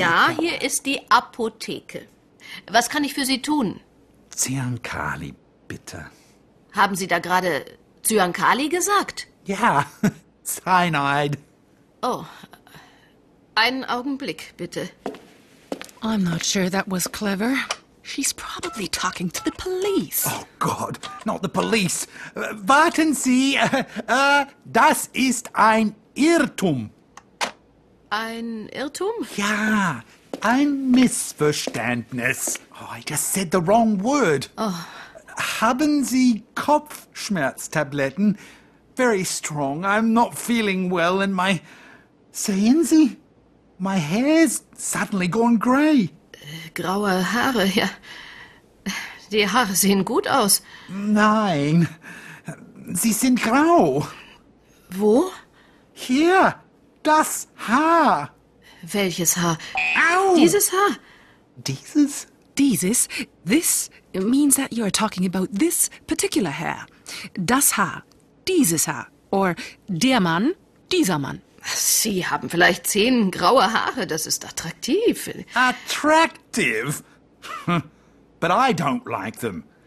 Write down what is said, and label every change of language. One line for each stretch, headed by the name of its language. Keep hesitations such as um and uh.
German: Ja, hier ist die Apotheke. Was kann ich für Sie tun? Zyankali, bitte. Haben Sie da gerade Zyankali gesagt? Ja,
English: yeah. Cyanide.
German: Oh, einen Augenblick, bitte.
English: I'm not sure that was clever. She's probably talking to the police. Oh God, not the police.
German: Warten Sie, uh, uh, das ist ein Irrtum. Ein Irrtum? Ja, ein Missverständnis.
English: Oh, I just said the wrong word. Oh.
German: Haben Sie Kopfschmerztabletten?
English: Very strong. I'm not feeling well and my.
German: Sehen Sie?
English: My hair's suddenly gone grey.
German: Äh, graue Haare, ja. Die Haare sehen gut aus. Nein. Sie sind grau. Wo? Hier das Haar. Welches Haar? Au! Dieses Haar. Dieses? Dieses.
English: This means that you are talking about this particular hair.
German: Das Haar. Dieses Haar. Or der Mann. Dieser Mann. Sie haben vielleicht zehn graue Haare. Das ist attraktiv. Attractive?
English: But I don't like them.